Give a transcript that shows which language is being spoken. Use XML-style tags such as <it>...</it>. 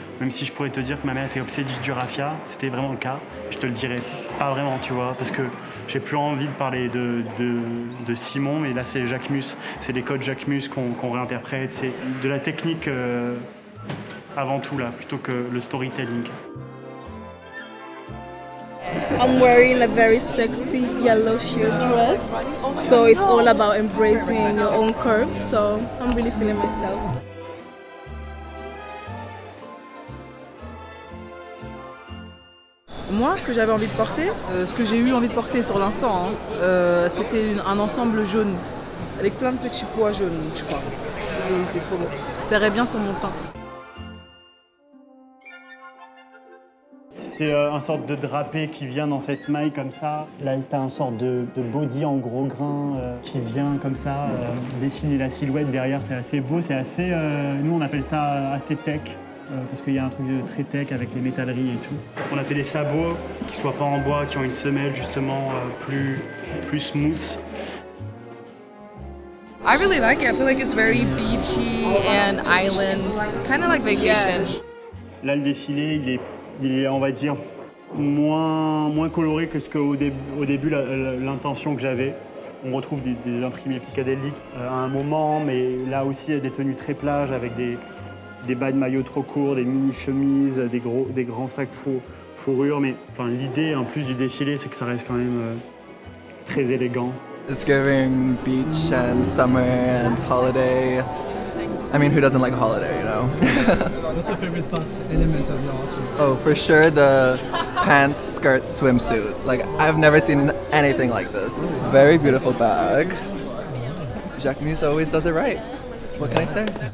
<fr>Même si je pourrais te dire que ma mère était obsédée du Raphia, c'était vraiment le cas. Je te le dirais pas vraiment, tu vois, parce que j'ai plus envie de parler de Simon, mais là c'est Jacquemus, c'est les codes Jacquemus qu'on réinterprète, c'est de la technique avant tout là, plutôt que le storytelling.</fr> <en>I'm wearing a very sexy yellow sheer dress, so it's all about embracing your own curves, so I'm really feeling myself.</en> <fr>Moi, ce que j'avais envie de porter, ce que j'ai eu envie de porter sur l'instant, hein, c'était un ensemble jaune, avec plein de petits pois jaunes, je crois. C'est trop beau. Ça irait bien sur mon teint. C'est un sorte de drapé qui vient dans cette maille comme ça. Là, t'as un sorte de body en gros grain qui vient comme ça, dessiner la silhouette derrière. C'est assez beau, c'est assez... nous, on appelle ça assez tech. Parce qu'il y a un truc de très tech avec les métalleries et tout. On a fait des sabots qui ne soient pas en bois, qui ont une semelle justement plus smooth.</fr> <en>I really like it. I feel like it's very beachy and island, kind of like vacation.</en> <fr>Là, le défilé, il est on va dire moins coloré que ce que au début l'intention que j'avais. On retrouve des imprimés psychédéliques à un moment, mais là aussi il y a des tenues très plage avec des bas de maillot trop courts, des mini-chemises, des grands sacs fourrure, mais enfin, l'idée en plus du défilé, c'est que ça reste quand même très élégant.</fr> <en>It's giving beach and summer and holiday. I mean, who doesn't like holiday, you know? What's your favorite part, element of your outfit? Oh, for sure the pants, skirt, swimsuit. Like, I've never seen anything like this. Very beautiful bag. Jacquemus always does it right. What can I say?</en>